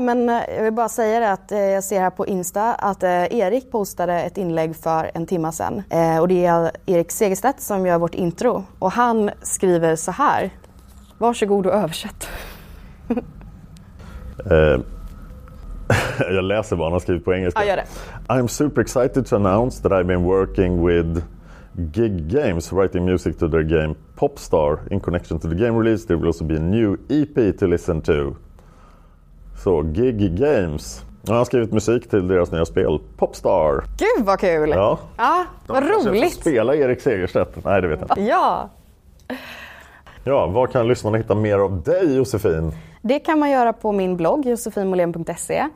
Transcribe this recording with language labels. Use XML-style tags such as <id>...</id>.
<sv>Men jag vill bara säga det att jag ser här på Insta att Erik postade ett inlägg för en timme sedan. Och det är Erik Segerstedt som gör vårt intro. Och han skriver så här. Varsågod och översätt. Jag läser vad han har skrivit på engelska. Ja, gör det.</sv> <en>I'm super excited to announce that I've been working with Gig Games, writing music to their game Popstar. In connection to the game release, there will also be a new EP to listen to.</en> <sv>Så, Gig Games. Jag har skrivit musik till deras nya spel, Popstar. Gud, vad kul! Ja, ja vad roligt! Spela Erik Segerstedt. Nej, det vet jag inte. Ja! Ja, var kan lyssnarna hitta mer av dig, Josefin? Det kan man göra på min blogg, josefinmolén.se.</sv>